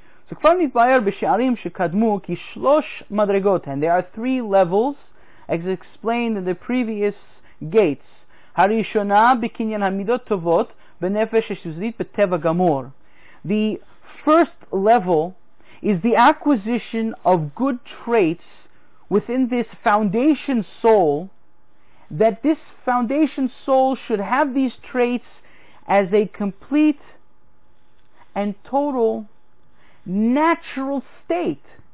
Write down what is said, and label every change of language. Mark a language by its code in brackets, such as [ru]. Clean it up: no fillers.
[en] So [he] כבר נתבייר בשערים שקדמו כי שלוש מדרגות, [en] and there are three levels, as explained in the previous gates. [he] הראשונה בקניין המידות טובות בנפש השוזית בטבע גמור. [en] The first level is the acquisition of good traits within this foundation soul, that this foundation soul should have these traits as a complete and total natural state.